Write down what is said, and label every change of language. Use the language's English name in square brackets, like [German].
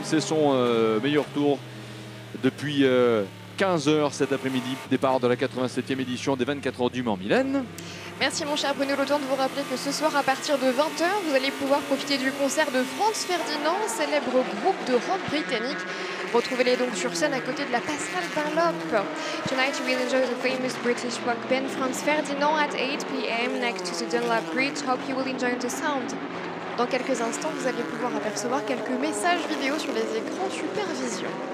[French] C'est son meilleur tour depuis 15h cet après-midi. Départ de la 87e édition des 24 heures du Mans. Mylène. Merci mon cher Bruno, le temps de vous rappeler que ce soir à partir de 20h, vous allez pouvoir profiter du concert de Franz Ferdinand, célèbre groupe de rock britannique. Retrouvez-les donc sur scène à côté de la passerelle d'Arlope. [English] Tonight you will enjoy the famous British rock band Franz Ferdinand at 8 p.m. next to the Dunlop Bridge. Hope you will enjoy the sound. [French] Dans quelques instants, vous allez pouvoir apercevoir quelques messages vidéo sur les écrans Supervision.